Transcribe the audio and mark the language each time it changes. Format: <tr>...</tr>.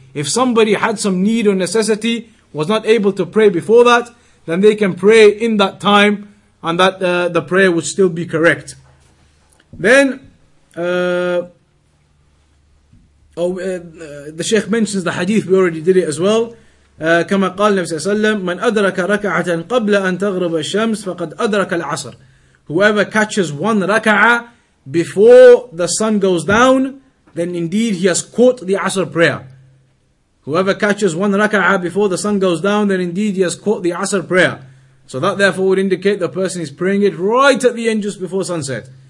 <en>If somebody had some need or necessity, was not able to pray before that, then they can pray in that time, and that the prayer would still be correct. Then, the Shaykh mentions the hadith, we already did it as well.</en> <ar>كما قال النبي صلى الله عليه وسلم من أدرك ركعة قبل أن تغرب الشمس فقد أدرك العصر.</ar> <en>Whoever catches one rak'ah before the sun goes down, then indeed he has caught the Asr prayer. Whoever catches one rak'ah before the sun goes down, then indeed he has caught the Asr prayer. So that therefore would indicate the person is praying it right at the end just before sunset.</en>